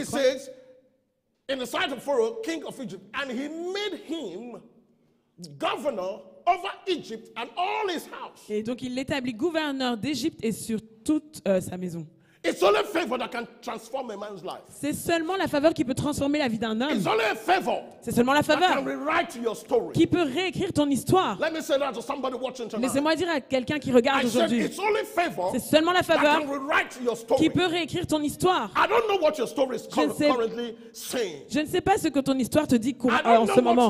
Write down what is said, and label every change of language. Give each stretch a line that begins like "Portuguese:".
English: it says in the sight of Pharaoh, king of Egypt, and he made him governor over Egypt and all his house.
French: Et donc il l'établit gouverneur d'Égypte et sur toute sa maison.
English: It's only favor that can transform a man's life.
French: C'est seulement la faveur qui peut transformer la vie d'un homme.
English: It's only a favor.
French: C'est seulement la faveur
English: that can rewrite your story.
French: Qui peut réécrire ton histoire.
English: Let me say that to somebody watching tonight.
French: Laissez-moi dire à quelqu'un qui regarde aujourd'hui.
English: It's only favor.
French: C'est seulement la faveur
English: that can rewrite your story.
French: Qui peut réécrire ton histoire.
English: I don't know what your story is currently saying.
French: Je ne sais pas ce que ton histoire te dit en ce moment.